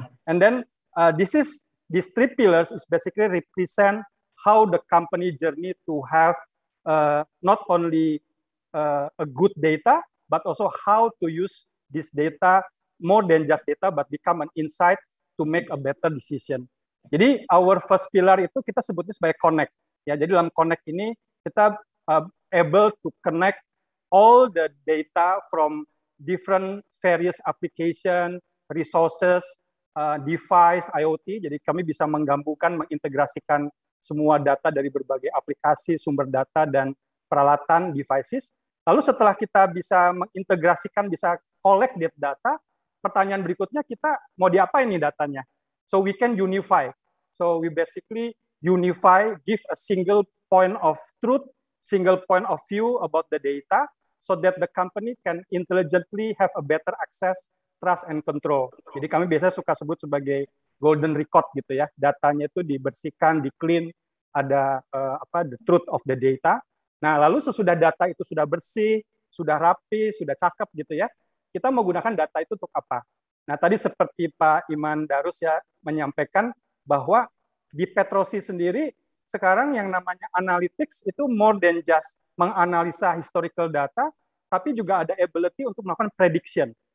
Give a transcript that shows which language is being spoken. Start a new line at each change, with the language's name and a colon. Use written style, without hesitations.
English: And then these three pillars is basically represent how the company journey to have not only a good data, but also how to use this data, more than just data, but become an insight to make a better decision.
Indonesian: Jadi
English: our first pillar
Indonesian: itu kita sebutnya sebagai connect. Ya, jadi dalam connect ini kita
English: able to connect all the data from different various application, resources, device, IoT.
Indonesian: Jadi kami bisa menggabungkan, mengintegrasikan semua data dari berbagai aplikasi, sumber data, dan peralatan, devices. Lalu setelah kita bisa mengintegrasikan, bisa
English: collect that data,
Indonesian: pertanyaan berikutnya kita mau diapain nih datanya?
English: So we can unify. So we basically unify, give a single point of truth, single point of view about the data, so that the company can intelligently have a better access, trust, and control.
Indonesian: Jadi kami biasanya suka sebut sebagai golden record gitu ya. Datanya itu dibersihkan, di-clean, ada
English: the truth of the data.
Indonesian: Nah, lalu sesudah data itu sudah bersih, sudah rapi, sudah cakep gitu ya, kita menggunakan data itu untuk apa? Nah, tadi seperti Pak Iman Darus ya menyampaikan bahwa di Petrosi sendiri, sekarang yang namanya analytics itu
English: more than just
Indonesian: menganalisa historical data, tapi juga ada ability untuk melakukan prediction.